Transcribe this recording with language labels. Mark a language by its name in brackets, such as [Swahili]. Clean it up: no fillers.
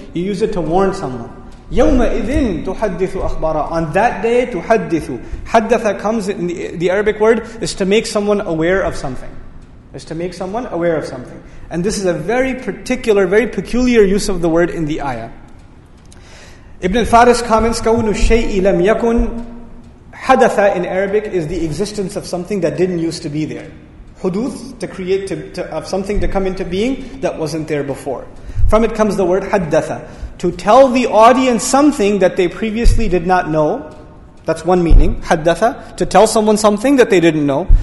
[English] You use it to warn someone. [Arabic] يَوْمَئِذٍ تُحَدِّثُ أَخْبَارًا. [English] On that day, تُحَدِّثُ. حَدَّثَ comes in the Arabic word, is to make someone aware of something. Is to make someone aware of something. And this is a very particular, very peculiar use of the word in the ayah. Ibn al-Faris comments, [Arabic] كَوْنُ الشَّيْءِ لَمْ يَكُنْ. [English] Hadatha in Arabic is the existence of something that didn't used to be there. Huduth, to create, of something to come into being that wasn't there before. From it comes the word haddatha, to tell the audience something that they previously did not know. That's one meaning, haddatha, to tell someone something that they didn't know.